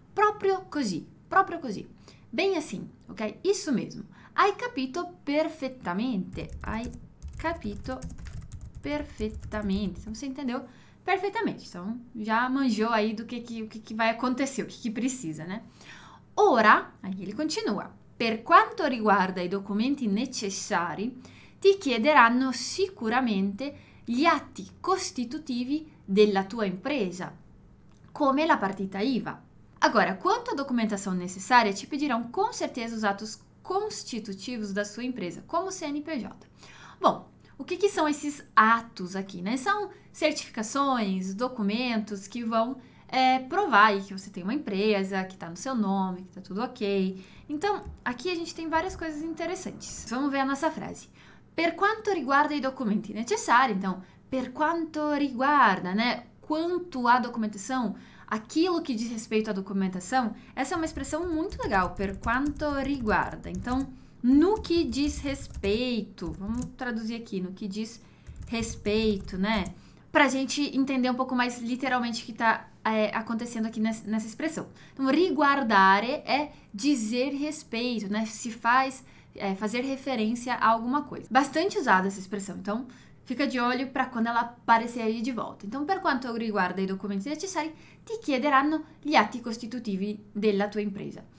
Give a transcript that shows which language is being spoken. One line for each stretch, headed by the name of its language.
Italian: Proprio così,
Portuguese: bem assim,
Italian: ok?
Portuguese: Isso mesmo,
Italian: hai capito perfettamente, hai capito perfeitamente.
Portuguese: Então, você entendeu perfeitamente. Então, já manjou aí do que vai acontecer, o que precisa, né? Ora, aí ele continua.
Italian: Per quanto riguarda i documenti necessari, ti chiederanno sicuramente gli atti costitutivi della tua impresa, come la partita IVA.
Portuguese: Agora, quanto à documentação necessária, te pedirão com certeza os atos constitutivos da sua empresa, como o CNPJ. Bom, o que que são esses atos aqui, né? São certificações, documentos que vão provar que você tem uma empresa, que está no seu nome, que está tudo ok. Então, aqui a gente tem várias coisas interessantes. Vamos ver a nossa frase.
Italian: Per quanto riguarda i documenti necessari, então, per quanto riguarda, né?
Portuguese: Quanto à documentação, aquilo que diz respeito à documentação, essa é uma expressão muito legal,
Italian: per quanto riguarda.
Portuguese: Então, No que diz respeito, vamos traduzir aqui, no que diz respeito, né? Pra gente entender um pouco mais literalmente o que tá acontecendo aqui nessa expressão. Então, riguardare é dizer respeito, né? Se faz, fazer referência a alguma coisa. Bastante usada essa expressão, então fica de olho pra quando ela aparecer aí de volta.
Italian: Então, per quanto riguarda i documenti necessari, ti chiederanno gli atti costitutivi della tua impresa.